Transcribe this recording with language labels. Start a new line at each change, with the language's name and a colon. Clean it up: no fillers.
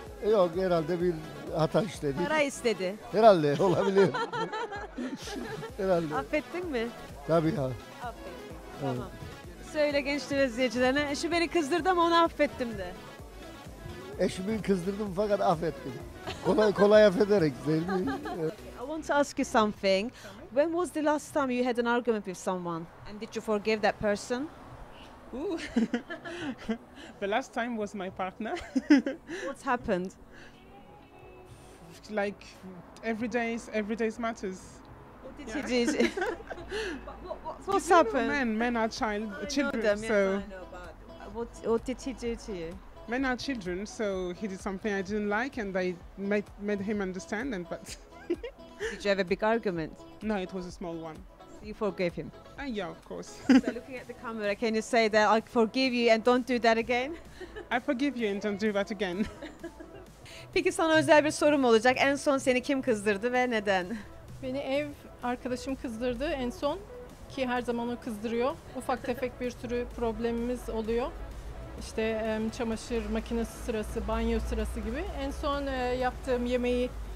Turkish: Yok, herhalde bir hata işledi. Para istedi. Herhalde, olabilir. Herhalde. Affettin mi? Tabii ya. Affettim, tamam. Evet. Söyle gençli izleyicilerine, eşi beni kızdırdı ama onu affettim de. Eşimi kızdırdım fakat affettim. Kolay kolay affederek.
English: I want to ask you something. When was the last time you had an argument with someone? And did you forgive that person? The last time was my partner. What's happened? Like every day's matters. What did he do? What's happened? You know, men are children. Them, so yes, I know, but what did he do to you? Men are children, so he did something I didn't like and I made him understand and but... Did you have a big argument? No, it was a small one. So you forgave him? Yeah, of course. So looking at the camera, can you say that I forgive you and don't do that again? I forgive you and don't do that again.
Turkish: Peki sana özel bir sorum olacak. En son seni kim kızdırdı ve neden? Beni ev arkadaşım kızdırdı en son, ki her zaman o kızdırıyor. Ufak tefek bir sürü problemimiz oluyor. İşte çamaşır makinesi sırası, banyo sırası gibi. En son yaptığım yemeği